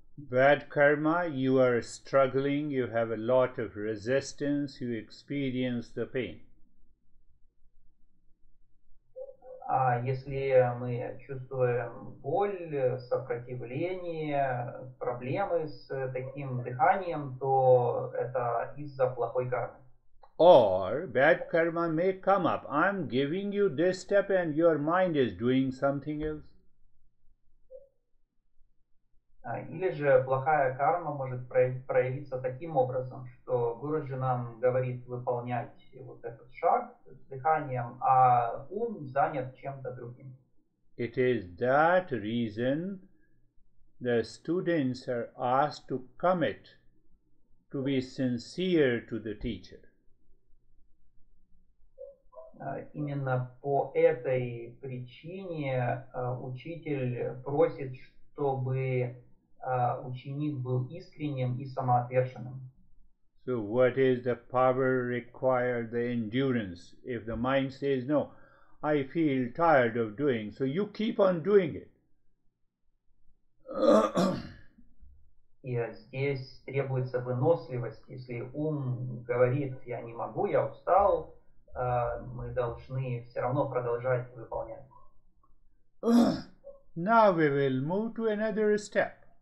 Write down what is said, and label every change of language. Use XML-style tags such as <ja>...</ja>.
<en>Bad karma, you are struggling, you have a lot of resistance, you experience the pain.</en> <ru>А если мы чувствуем боль, сопротивление, проблемы с таким дыханием, то это из-за плохой кармы.</ru> <en>Or bad karma may come up. I'm giving you this step and your mind is doing something else.</en> <ru>Или же плохая карма может проявиться таким образом, что Гуруджи нам говорит выполнять вот этот шаг с дыханием, а ум занят чем-то другим.</ru> <en>It is that reason the students are asked to commit to be sincere to the teacher.</en> <ru>Именно по этой причине учитель просит, чтобы ученик был искренним и самоотверженным.</ru> <en>So what is the power required, the endurance, if the mind says, no, I feel tired of doing, so you keep on doing it.</en> <ru>И здесь требуется выносливость. Если ум говорит, я не могу, я устал, мы должны все равно продолжать выполнять.</ru> <en>Now we will move to another step.</en>